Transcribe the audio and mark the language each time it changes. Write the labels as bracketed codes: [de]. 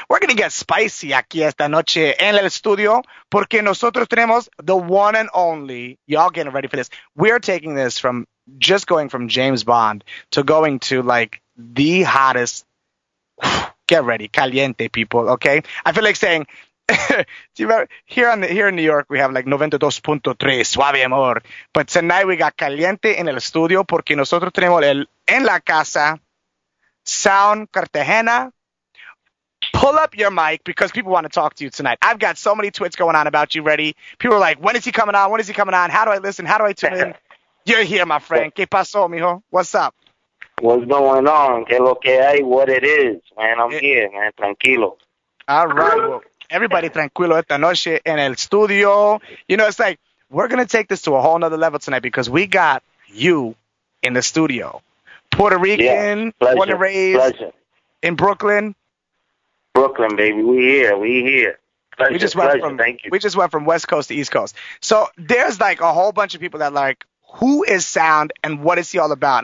[en] We're going to get spicy [es] aquí esta noche en el estudio, porque nosotros tenemos [en] the one and only, y'all getting ready for this, we're taking this from just going from James Bond to going to, like, the hottest, get ready, caliente people, okay? I feel like saying, do you remember, here in New York, we have, like, 92.3, suave amor. But tonight we got caliente in [es] el estudio porque nosotros tenemos el en la casa, [en] Sound Cartagena. Pull up your mic because people want to talk to you tonight. I've got so many tweets going on about you, ready? People are like, when is he coming on? When is he coming on? How do I listen? How do I tune in? You're here, my friend. [es] ¿Qué pasó, mijo? [en] What's up? What's going on? [es] ¿Qué lo que hay? [en] What it is, man. I'm here, man. Tranquilo. All right. Well, everybody [es] tranquilo esta noche en el estudio. [en] You know, it's like, we're going to take this to a whole nother level tonight because we got you in the studio. Puerto Rican. Yeah, born and raised. Pleasure. In Brooklyn. Brooklyn, baby. We here. We just went from West Coast to East Coast. So there's like a whole bunch of people that like, who is Sound and what is he all about?